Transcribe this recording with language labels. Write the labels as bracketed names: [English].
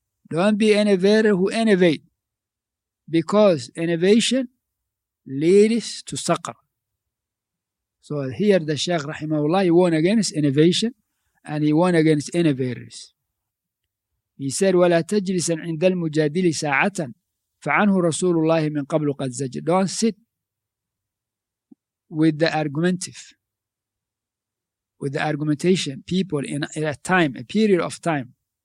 [English] Don't be innovator who innovate, because innovation leads to saqr. So here the Shaykh rahimahullah, he warned against innovation and he warned against innovators. He said, [Arabic] وَلَا تَجْلِسًا عِنْدَ الْمُجَادِلِ سَاعَةً فَعَنْهُ رَسُولُ اللَّهِ مِنْ قَبْلُ قَدْ زَجَرَ. [English] Don't sit with the argumentative, with the argumentation people in a time, a period of time.